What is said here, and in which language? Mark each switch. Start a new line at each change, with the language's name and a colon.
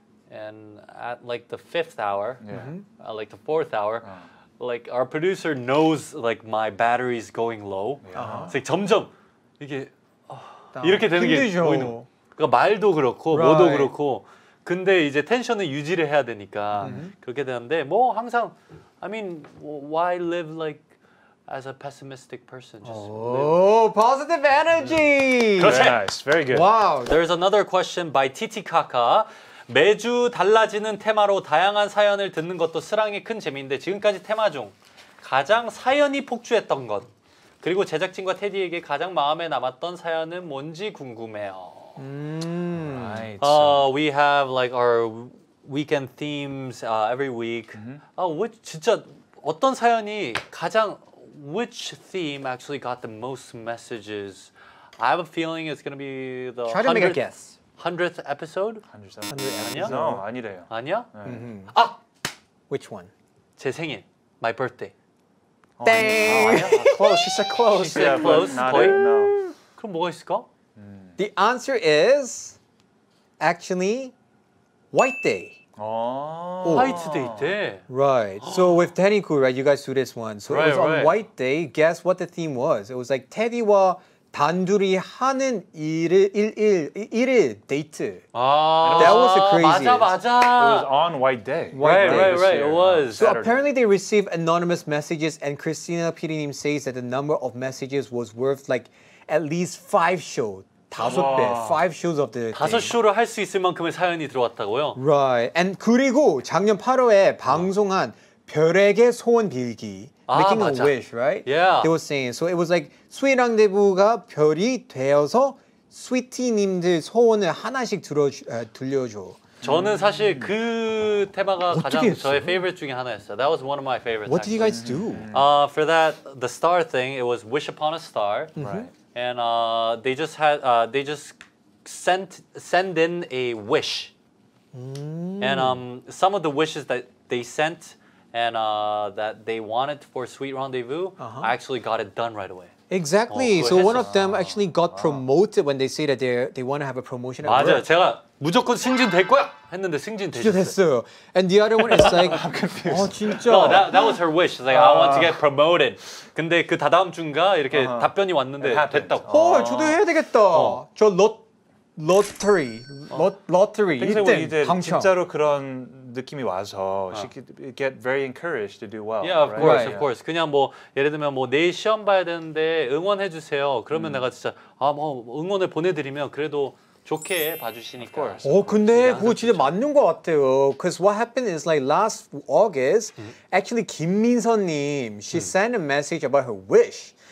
English: And at like the fifth hour, like the fourth hour, like our producer knows like my battery's going low.
Korean: So 점점 이게 이렇게 되는 게 보이는. 그러니까 말도 그렇고 뭐도 그렇고. 근데 이제 텐션을 유지를 해야 되니까 그렇게 되는데 뭐 항상
English: I mean why live like as a pessimistic person? Just positive energy. Yeah. Very nice. Very good. Wow. There's another question by Titikaka.
Korean: 매주 달라지는 테마로 다양한 사연을 듣는 것도 스랑의 큰 재미인데 지금까지 테마 중 가장 사연이 폭주했던 것 그리고 제작진과 테디에게 가장 마음에 남았던 사연은 뭔지 궁금해요.
English: Right. We have like our weekend themes every week. Which
Korean: 진짜 어떤 사연이 가장
English: which theme actually got the most messages? I have a feeling it's gonna be the. Try to make a guess. 100th episode? 100th episode?
Korean: 아니야?
English: No,
Korean: 아니래요. 아니야?
English: Which one?
Korean: 제 생일.
English: My birthday. Dang! Close, she said close. She said close. Not it, no.
Korean: 그럼 뭐가 있을까?
English: The answer is actually White Day. White Day Day. Right. So with Danny Koo, right, you guys do this one. So it was on White Day. Guess what the theme was. It was like Teddy와
Korean: 단둘이 하는 일일 데이트.
English: That was the craziest.
Korean: 맞아, 맞아.
English: It was on White Day. Right, it was. So Saturday. Apparently they received anonymous messages and Christina PD님 says that the number of messages was worth like at least 5 shows.
Korean: 5배,
English: 5 shows of the
Korean: 5쇼를 할 수 있을 만큼의 사연이 들어왔다고요?
English: Right.
Korean: And 그리고 작년 8월에 방송한 별에게 소원 빌기.
English: Making
Korean: 맞아.
English: A wish, right? Yeah. They were saying, so it was like,
Korean: 스윗 랑데부가 별이 되어서 스위티님들 소원을 하나씩 들려줘. 저는 사실 그 테마가 가장 했어요? 저의 favorite 중에 하나였어요.
English: That was one of my favorites. What did you guys do? For that, the star thing, it was wish upon a star. Right. And they just had, they just sent in a wish. And some of the wishes that they sent, and that they wanted for Sweet Rendezvous, I actually got it done right away. Exactly. So one of them actually got promoted when they say that they want to have a promotion at
Korean: 맞아, 맞아, 제가 무조건 승진 될 거야 했는데 승진 됐어요.
English: And the other one is like, I'm confused.
Korean: 진짜?
English: No, that was her wish. Like, I want to get promoted.
Korean: 근데 그 다다음 주인가 이렇게 답변이 왔는데 됐다고. 헐, 저도 해야 되겠다. 저 lottery. 1등, 당첨. 진짜로 그런... 느낌이 와서
English: she could get very encouraged to do well. Yeah, of course, of course.
Korean: 그냥 뭐 예를 들면 뭐 내일 시험 봐야 되는데 응원해 주세요. 그러면 내가 진짜 아 뭐 응원을 보내드리면 그래도 좋게 봐주시니까. 오, 근데 그거 진짜 맞는 것 같아요.
English: Cause what happened is like last August, actually 김민서님 she sent a message about her wish.